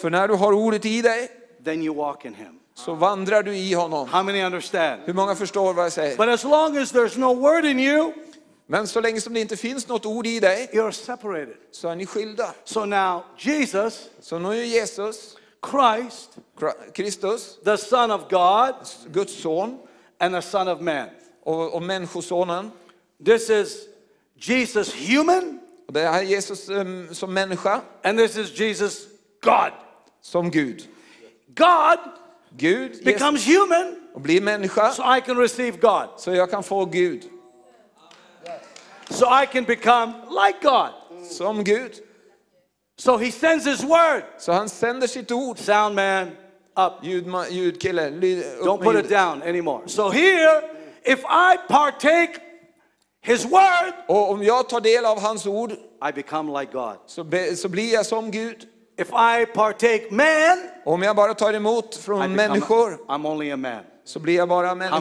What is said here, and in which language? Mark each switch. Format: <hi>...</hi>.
<sv>för när du har ordet i dig,</sv> <en>then you walk in him,</en> <sv>så vandrar du i honom.</sv> <en>How many understand?</en> <sv>Hur många förstår vad jag säger?</sv> <en>But as long as there's no word in you,</en> <sv>men så länge som det inte finns något ord i dig,</sv> <en>you're separated,</en> <sv>så är ni skilda.</sv> <en>So now Jesus,</en> <sv>så nu är Jesus,</sv> <en>Christ,</en> <sv>Kristus,</sv> <en>the Son of God,</en> <sv>Guds son,</sv> <en>and the Son of Man,</en> <sv>och människosonen.</sv> <en>This is Jesus human.</en> <sv>Det är Jesus som människa.</sv> <en>And this is Jesus God.</en> <sv>Som Gud.</sv> <en>God,</en> <sv>Gud,</sv> <en>becomes Jesus human.</en> <sv>Och blir människa.</sv> <en>So I can receive God.</en> <sv>Så jag kan få Gud.</sv> <en>So I can become like God.</en> <sv>Som Gud.</sv> <en>So he sends his word.</en> <sv>Så han sänder sitt ord.</sv> <en>Sound man, up.</en> <sv>Ljud kille.</sv> <en>Don't put it down anymore. So here, if I partake his word,</en> <sv>och om jag tar del av hans ord,</sv> <en>I become like God.</en> <sv>Så blir jag som Gud.</sv> <en>If I partake man,</en> <sv>om jag bara tar emot från människor,</sv> <en>I'm only a man.</en> <sv>Så blir jag bara människa.</sv>